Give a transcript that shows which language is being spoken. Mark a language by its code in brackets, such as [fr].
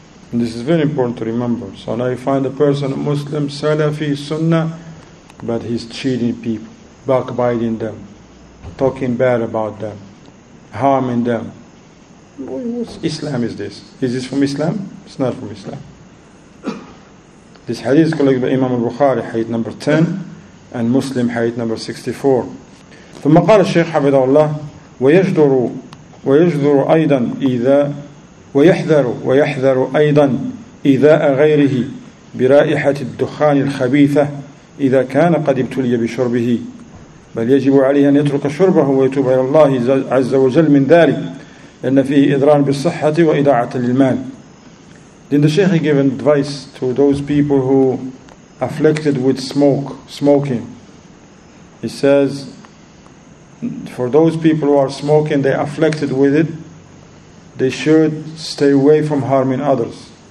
[en] And this is very important to remember. So now you find a person, a Muslim, Salafi, Sunnah, but he's cheating people, backbiting them, talking bad about them, harming them. What Islam is this? Is this from Islam? It's not from Islam. This hadith is collected by Imam al-Bukhari, hadith number 10, and Muslim, hadith number 64. [ar] ثم قال الشيخ حفظه الله ويجدر أيضا إذا ويحذر أيضا إذاء غيره برائحة الدخان الخبيثة إذا كان قد ابتلي بشربه بل يجب عليه أن يترك شربه ويتوب إلى الله عز وجل من ذلك لأن فيه إضرار بالصحة وإضاعة للمال. [en] Then the Sheikh gave advice to those people who afflicted with smoking. He says, for those people who are smoking, they're afflicted with it, they should stay away from harming others.